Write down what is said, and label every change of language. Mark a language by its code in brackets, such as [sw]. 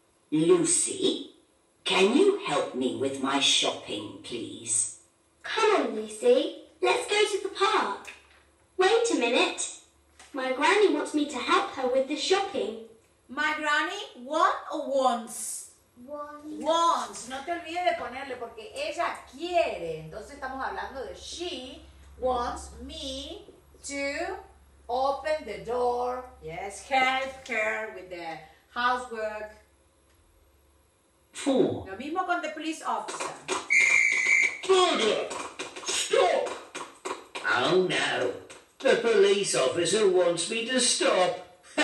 [en] Lucy, can you help me with my shopping, please? Come on, Lucy. Let's go to the park. Wait a minute. My granny wants me to help her with the shopping. My granny want or wants? Wants. Wants. [es] No te olvides de ponerle porque ella quiere. Entonces estamos hablando de [en] she wants me to... Open the door, yes, help her with the housework. Four. [es] Lo mismo con [en] the police officer. Burglar! Stop! Oh no, the police officer wants me to stop.